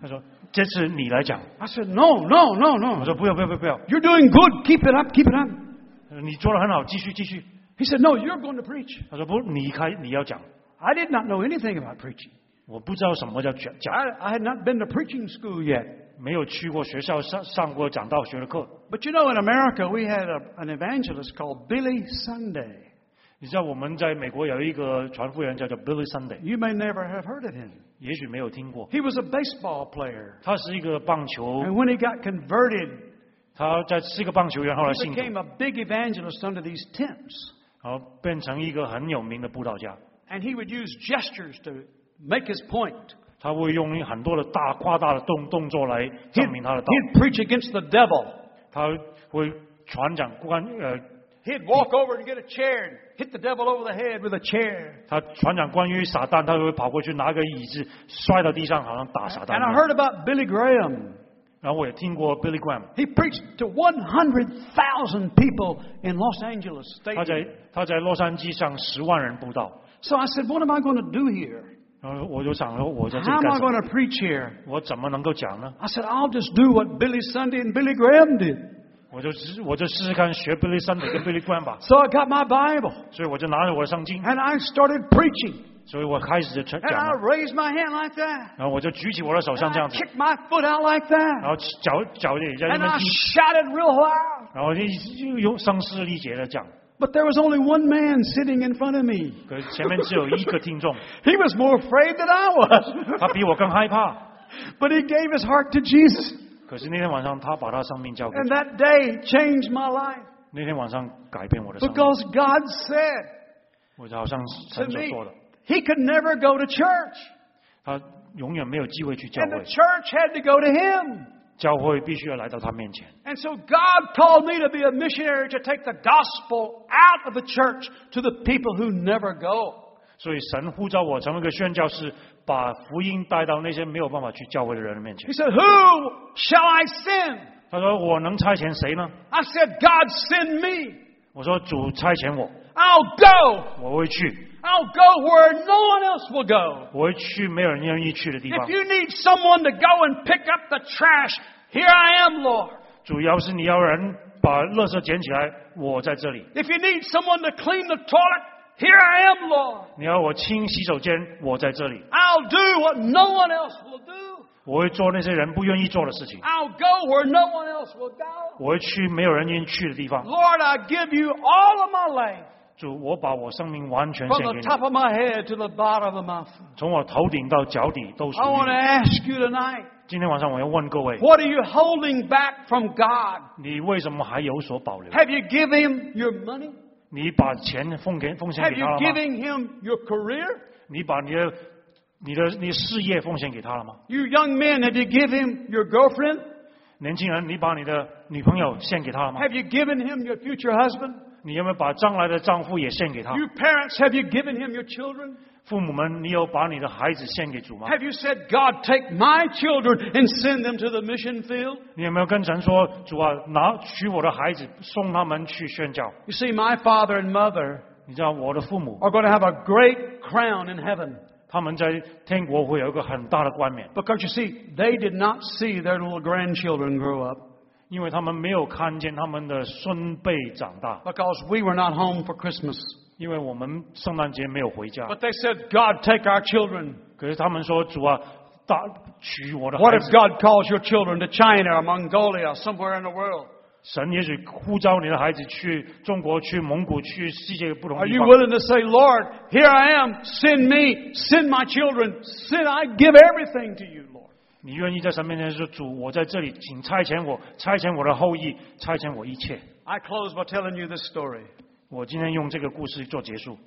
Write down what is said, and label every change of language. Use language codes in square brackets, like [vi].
[zh] 他说，这次你来讲。 [en] I said, no. [zh] 我说，不要。 [en] You're doing good. Keep it up. [zh] 你做得很好，继续。 [en] He said, no, you're going to preach. [zh] 他说，不，你要讲。 [en] I did not know anything about preaching. [zh] 我不知道什么叫讲。 [en] I had not been to preaching school yet. [zh] 没有去过学校上过讲道学的课。 [en] But you know, in America, we had an evangelist called Billy Sunday. [zh] 你知道我们在美国有一个传福音叫 Billy Sunday。 [en] You may never have heard of him. [zh] 也许没有听过。 [en] He was a baseball player. [zh] 他是一个棒球。 [en] And when he got converted, [zh] 他在是一个棒球员，后来信主。 [en] He became a big evangelist under these tents. [zh] 然后变成一个很有名的布道家。 [en] And he would use gestures to make his point. [zh] 他会用很多的大夸大的动作来证明他的道。 [en] He'd preach against the devil. [zh] 他会传讲 [en] He'd walk over to get a chair and hit the devil over the head with a chair. [zh] 他传讲关于撒旦，他就会跑过去拿个椅子摔到地上，好像打撒旦。 [en] And I heard about Billy Graham. [zh] 然后我也听过 Billy Graham. [en] He preached to 100,000 people in Los Angeles State. [zh] 他在洛杉矶上100,000人布道。 [en] So I said, what am I going to do here? [zh] 然后我就想说，我在这里干什么？ [en] How am I going to preach here? [zh] 我怎么能够讲呢？ [en] I said, I'll just do what Billy Sunday and Billy Graham did. [zh] 我就试试看学 Billy Sunday 跟 Billy Graham 吧。 [en] So I got my Bible. [zh] 所以我就拿着我的圣经。 [en] And I started preaching. [zh] 所以我开始就讲。 [en] And I raised my hand like that. [zh] 然后我就举起我的手像这样子。 [en] And I kicked my foot out like that. [zh] 然后脚也在那边踢。 [en] And I shouted real loud. [zh] 然后就用声嘶力竭的讲。 [en] But there was only one man sitting in front of me. [zh] 可是前面只有一个听众。 [en] He was more afraid than I was. [zh] 他比我更害怕。 [en] But he gave his heart to Jesus. [zh] 可是那天晚上，他把他生命交给。 [en] And that day changed my life. [zh] 那天晚上改变我的生命。 [en] Because God said, [zh] 我好像神所说的。 [en] He could never go to church. [zh] 他永远没有机会去教会。 [en] And the church had to go to him. [zh] 教会必须要来到他面前。 [en] And so God called me to be a missionary to take the gospel out of the church to the people who never go. [zh] 所以神呼召我成为一个宣教士，把福音带到那些没有办法去教会的人面前。 [en] He said, "Who shall I send?" [zh] 他说我能差遣谁呢 [en] ？I said, "God send me." [zh] 我说主差遣我。 [en] I'll go. [zh] 我会去。 [en] I'll go where no one else will go. [zh] 我会去没有人愿意去的地方。 [en] If you need someone to go and pick up the trash, here I am, Lord. [zh] 主要是你要人把垃圾捡起来，我在这里。 [en] If you need someone to clean the toilet, here I am, Lord. [zh] 你要我清洗手间，我在这里。 [en] I'll do what no one else will do. [zh] 我会做那些人不愿意做的事情。 [en] I'll go where no one else will go. [zh] 我会去没有人愿意去的地方。 [en] Lord, I give you all of my life. [zh] 主，我把我生命完全献给你。 [en] From the top of my head to the bottom of my feet. [zh] 从我头顶到脚底都属于你。 [en] I want to ask you tonight. [zh] 今天晚上我要问各位。 [en] What are you holding back from God? [zh] 你为什么还有所保留 [en] ？Have you given him your money? [zh] 你把钱奉献给他了吗 [en] ？Have you given him your career? [zh] 你把你的事业奉献给他了吗 [en] ？You young men, have you given him your girlfriend? [zh] 年轻人，你把你的女朋友献给他了吗 [en] ？Have you given him your future husband? [zh] 你有没有把将来的丈夫也献给他 [en] ？You parents, have you given him your children? [zh] 父母们，你有把你的孩子献给主吗 [en] ？Have you said, God, take my children and send them to the mission field? [zh] 你有没有跟神说，主啊，拿取我的孩子，送他们去宣教 [en] ？You see, my father and mother, [zh] 你知道我的父母 [en] are going to have a great crown in heaven. [zh] 他们在天国会有一个很大的冠冕。 [en] Because you see, they did not see their little grandchildren grow up. [zh] 因为他们没有看见他们的孙辈长大。 [en] Because we were not home for Christmas. [zh] 因为我们圣诞节没有回家。 [en] But they said, God, take our children. [zh] 可是他们说，主啊，取我的孩子。 [en] What if God calls your children to China or Mongolia, somewhere in the world? [zh] 神也许呼召你的孩子去中国，去蒙古，去世界不同地方。 [en] Are you willing to say, Lord, here I am, send me, send my children, send, I give everything to you? [zh] 你愿意在神面前说主我在这里请差遣我差遣我的后裔差遣我一切 [en] I close by telling you this story. [zh] 我今天用这个故事做结束